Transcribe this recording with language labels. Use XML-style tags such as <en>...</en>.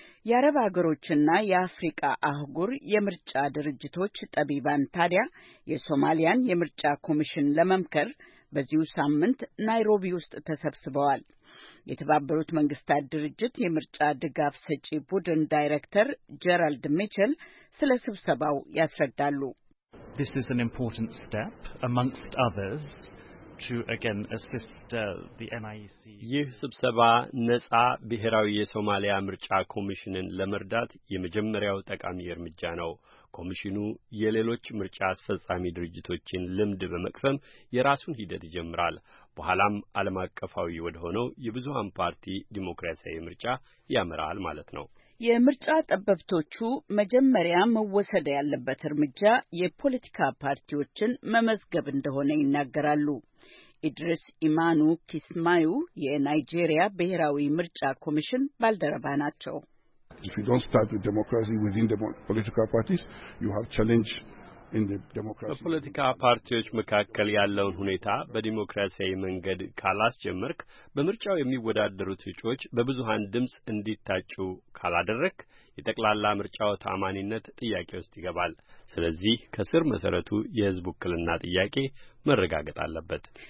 <am>የአረብ አገሮችና የአፍሪካ አህጉር የምርጫ ድርጅቶች ጠቢባን ታዲያ የሶማሊያን የምርጫ ኮሚሽን ለመምከር በዚሁ ሳምንት ናይሮቢ ውስጥ ተሰብስበዋል። የተባበሩት መንግስታት ድርጅት የምርጫ ድጋፍ ሰጪ ቡድን ዳይሬክተር ጀራልድ ሚቸል ስለ ስብሰባው ያስረዳሉ።</am> <en>This is an important step amongst others to again assist the NIEC.</en> <am>ይህ ስብሰባ ነጻ ብሔራዊ የሶማሊያ ምርጫ ኮሚሽንን ለመርዳት የመጀመሪያው ተቃሚ እርምጃ ነው። ኮሚሽኑ የሌሎች ምርጫ አስፈጻሚ ድርጅቶችን ልምድ በመቅሰም የራሱን ሂደት ይጀምራል። በኋላም ዓለም አቀፋዊ ወደ ሆነው የብዙሃን ፓርቲ ዲሞክራሲያዊ ምርጫ ያመራል ማለት ነው። የምርጫ ጠበብቶቹ መጀመሪያ መወሰድ ያለበት እርምጃ የፖለቲካ ፓርቲዎችን መመዝገብ እንደሆነ ይናገራሉ። ኢድሪስ ኢማኑ ኪስማዩ የናይጄሪያ ብሔራዊ ምርጫ ኮሚሽን ባልደረባ ናቸው።</am> <en>If you don't start with democracy within the political parties, you have challenge in the democracy.</en> <am>በፖለቲካ ፓርቲዎች መካከል ያለውን ሁኔታ በዲሞክራሲያዊ መንገድ ካላስጀመርክ፣ በምርጫው የሚወዳደሩት እጩዎች በብዙሃን ድምጽ እንዲታጩ ካላደረክ፣ የጠቅላላ ምርጫው ታማኒነት ጥያቄ ውስጥ ይገባል። ስለዚህ ከስር መሰረቱ የህዝብ ውክልና ጥያቄ መረጋገጥ አለበት።</am>